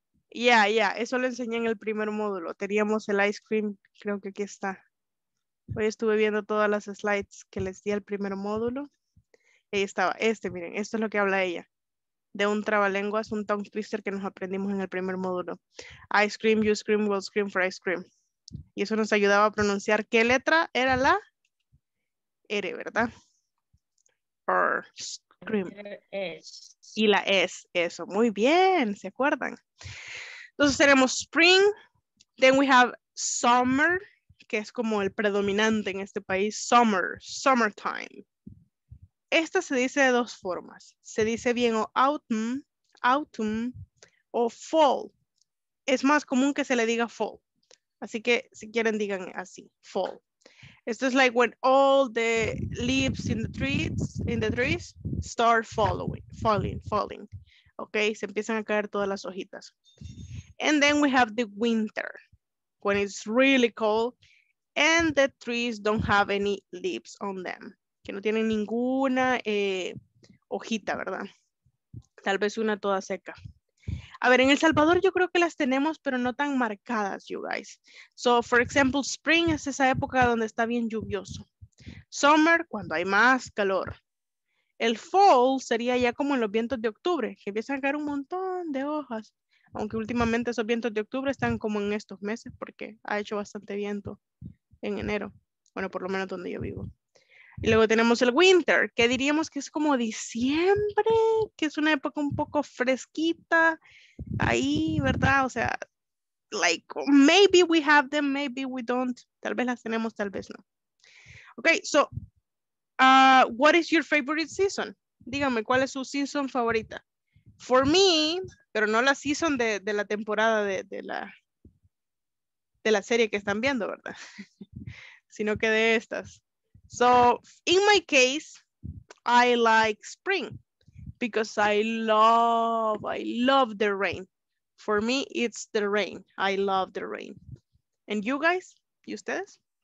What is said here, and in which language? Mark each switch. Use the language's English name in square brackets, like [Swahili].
[Spanish] Yeah, yeah, eso lo enseñé en el primer módulo. Teníamos el ice cream, creo que aquí está. Hoy estuve viendo todas las slides que les di al primer módulo. Ahí estaba, este, miren, esto es lo que habla ella. De un trabalenguas, un tongue twister que nos aprendimos en el primer módulo. [English] Ice cream, you scream, we all scream for ice cream. [Spanish] Y eso nos ayudaba a pronunciar qué letra era la R, ¿verdad? Scream. Y la S, eso, muy bien, ¿se acuerdan? Entonces tenemos spring, [English] then we have summer, [Spanish] que es como el predominante en este país, summer, summertime. Esta se dice de dos formas, se dice bien o autumn o fall. Es más común que se le diga fall, así que si quieren digan así, fall. [English] It's just like when all the leaves in the trees start falling. [Spanish] Okay, se empiezan a caer todas las hojitas. [English] And then we have the winter, when it's really cold and the trees don't have any leaves on them. [Spanish] Que no tienen ninguna hojita, ¿verdad? Tal vez una toda seca. A ver, en El Salvador yo creo que las tenemos, pero no tan marcadas, [English] you guys. So, for example, [Spanish] spring es esa época donde está bien lluvioso. Summer, cuando hay más calor. El fall sería ya como en los vientos de octubre, que empiezan a caer un montón de hojas. Aunque últimamente esos vientos de octubre están como en estos meses, porque ha hecho bastante viento en enero. Bueno, por lo menos donde yo vivo. Y luego tenemos el winter, que diríamos que es como diciembre, que es una época un poco fresquita. Ahí, ¿verdad? [English] O sea, like, maybe we have them, maybe we don't. [Spanish] Tal vez las tenemos, tal vez no. [English] Okay, so, what is your favorite season? [Spanish] Dígame, ¿cuál es su season favorita? [English] For me, [Spanish] pero no la season de la temporada de la serie que están viendo, ¿verdad? Sino que de estas. [English] So, in my case, I like spring because I love the rain. For me, it's the rain. I love the rain. And you guys, [Spanish] ¿y ustedes?